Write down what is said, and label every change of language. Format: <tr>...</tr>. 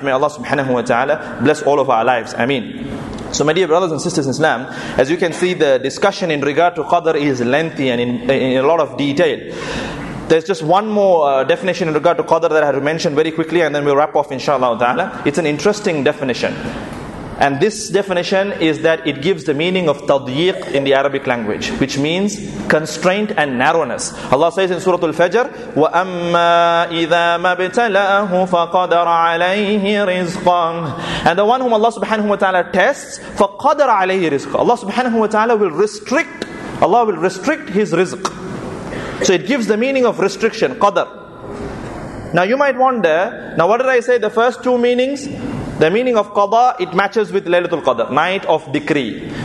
<en>May Allah subhanahu wa ta'ala bless all of our lives. Ameen. So my dear brothers and sisters in Islam, as you can see, the discussion in regard to Qadr is lengthy and in a lot of detail. There's just one more definition in regard to qadr that I had to mention very quickly, and then we'll wrap off inshallah ta'ala. It's an interesting definition. And this definition is that it gives the meaning of tadyiq in the Arabic language, which means constraint and narrowness. Allah says in Surah Al-Fajr,</en> <ar>وَأَمَّا إِذَا مَبْتَلَأَهُ فَقَدَرَ عَلَيْهِ رِزْقًا.</ar> <en>And the one whom Allah subhanahu wa ta'ala tests,</en> <ar>فَقَدَرَ عَلَيْهِ رِزْقًا.</ar> <en>Allah subhanahu wa ta'ala will restrict, Allah will restrict his rizq. So it gives the meaning of restriction, qadr. Now you might wonder, now what did I say the first two meanings? The meaning of qada, it matches with Laylatul Qadr, night of decree.</en>